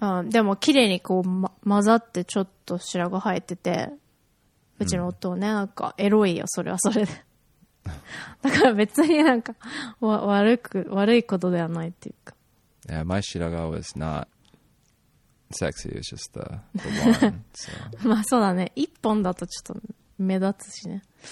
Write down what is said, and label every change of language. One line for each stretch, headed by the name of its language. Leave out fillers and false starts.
Japanese: でも、綺麗にこう、混ざってちょっと白髪生えてて、うちの夫ね、なんか、エロいよ、それはそれで。だから別になんか、悪いことではないっていうか。
English: Yeah, my shiraga was not sexy, it was just the one. So.
Japanese: まあそうだね。一本だとちょっと目立つしね。